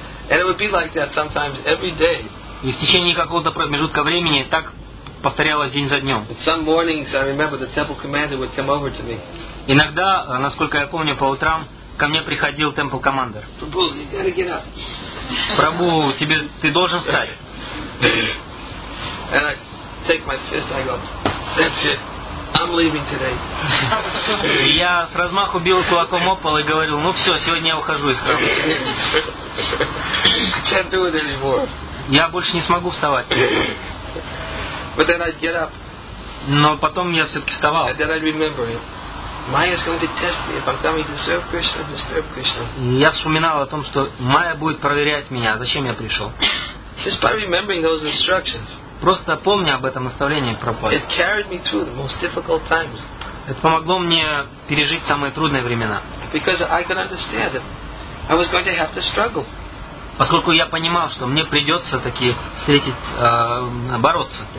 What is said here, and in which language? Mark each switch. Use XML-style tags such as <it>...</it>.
<en>And it would be like that sometimes every day.</en> <ru>И в течение какого-то промежутка времени так повторялось день за днем.</ru> <en>Some mornings, I remember, the temple commander would come over to me.</en> <ru>Иногда, насколько я помню, по утрам ко мне приходил</ru> <en>temple commander. Prabhu, you gotta get up.</en> <ru>Прабу, тебе ты должен встать.</ru> <en>And I take my fist, I go, that's it. I'm leaving today.</en> <ru>Я с размаху бил кулаком о пол и говорил, ну все, сегодня я ухожу из храма.</ru> <en>I can't do it anymore.</en> <ru>Я больше не смогу вставать.</ru> <en>But then I'd get up.</en> <ru>Но потом я все-таки вставал.</ru> <en>And then I'd remember it. Maya's going to test me if I'm coming to serve Krishna or disturb Krishna.</en> <ru>Я вспоминал о том, что Майя будет проверять меня, зачем я пришел.</ru> <en>Just by remembering those instructions.</en> <ru>Просто помня об этом наставлении Прабхупады.</ru> <en>It carried me through the most difficult times.</en> <ru>Это помогло мне пережить самые трудные времена.</ru> <en>Because I could understand that I was going to have to struggle.</en> <ru>Поскольку я понимал, что мне придется таки встретить, бороться.</ru>